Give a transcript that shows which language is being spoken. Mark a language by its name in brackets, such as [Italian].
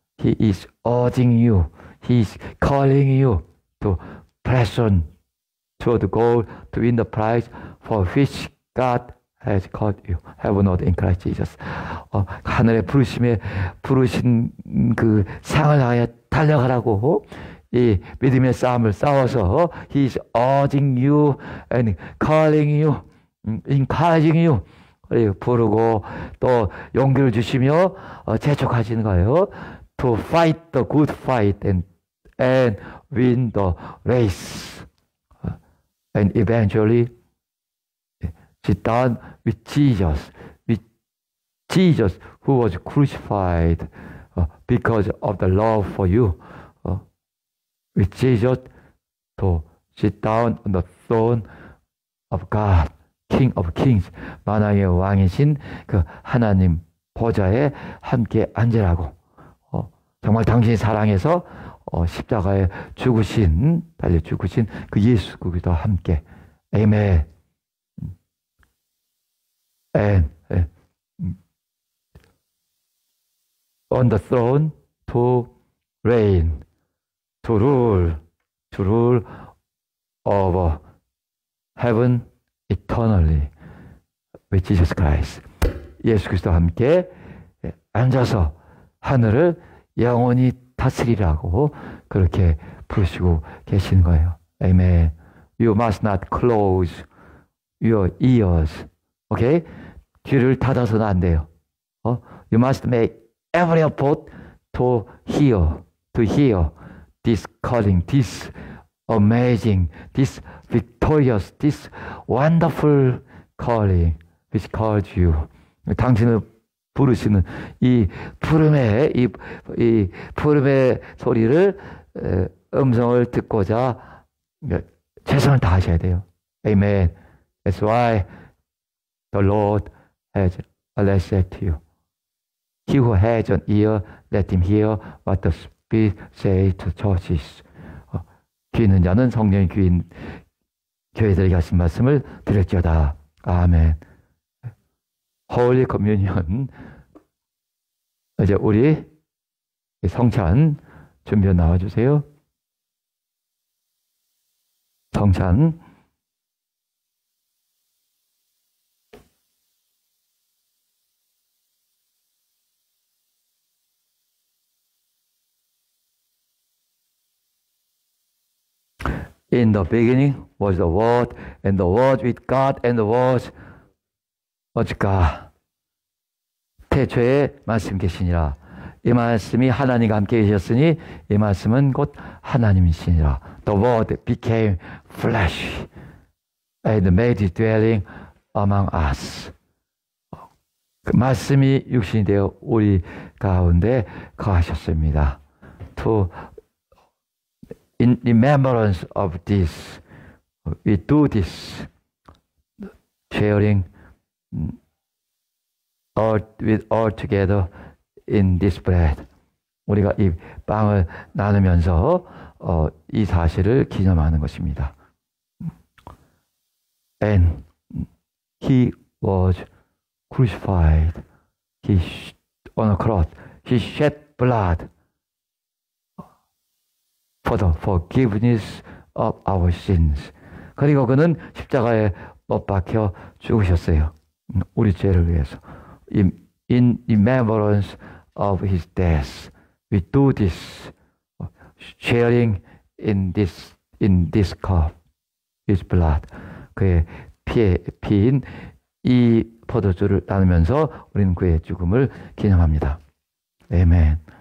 [English] He is urging you, He is calling you to press on toward the goal to win the prize for which God has called you, heaven or in Christ Jesus. [Korean] 하늘의 부르심에 부르신 그 상을 향해 달려가라고. 이 믿음의 싸움을 싸워서 [English] He is urging you and calling you, encouraging you. [Korean] 부르고 또 용기를 주시며 재촉하시는 거예요. [English] To fight the good fight and win the race. And eventually, sit down with Jesus who was crucified because of the love for you. With Jesus to sit down on the throne of God, King of Kings, [Korean] 만왕의 왕이신 그 하나님 보좌에 함께 앉으라고. 정말 당신이 사랑해서 십자가에 죽으신, 달려 죽으신 그 예수 그리스도와 함께. 아멘. [English] On the throne to reign, to rule over heaven eternally with Jesus Christ. [Korean] 예수 그리스도와 함께 앉아서 하늘을 영원히 다스리라고 그렇게 부르시고 계시는 거예요. [English] Amen. You must not close your ears. Okay? [Korean] 귀를 닫아서는 안 돼요. [English] You must make every effort to hear this calling, this amazing, this victorious, this wonderful calling which calls you. [Korean] 당신을 부르시는 이 부름의 소리를 음성을 듣고자 최선을 다하셔야 돼요. [English] Amen. That's why the Lord has alerted you. He who has an ear, let him hear what the Spirit says to churches. [Korean] 귀 있는 자는 성령의 귀인 교회들에게 하신 말씀을 들을지어다. [English] 아멘. Holy Communion. [Korean] 이제 우리 성찬 준비해 나와주세요. 성찬. [English] 'In the beginning was the Word, and the Word with God, and the Word was God.' [Korean] 태초에 말씀 계시니라. 이 말씀이 하나님과 함께 계셨으니 이 말씀은 곧 하나님이시니라. [English] 'The Word became flesh and made his dwelling among us.' [Korean] 그 말씀이 육신이 되어 우리 가운데 거하셨습니다. [English] In remembrance of this, we do this sharing all together in this bread. [Korean] 우리가 이 빵을 나누면서 이 사실을 기념하는 것입니다. [English] And he was crucified. On a cross, he shed blood. For the forgiveness of our sins. [Korean] 그리고 그는 십자가에 못 박혀 죽으셨어요. 우리 죄를 위해서. [English] In remembrance of his death, we do this sharing in this cup, his blood. [Korean] 그의 피인 이 포도주를 나누면서 우리는 그의 죽음을 기념합니다. 아멘.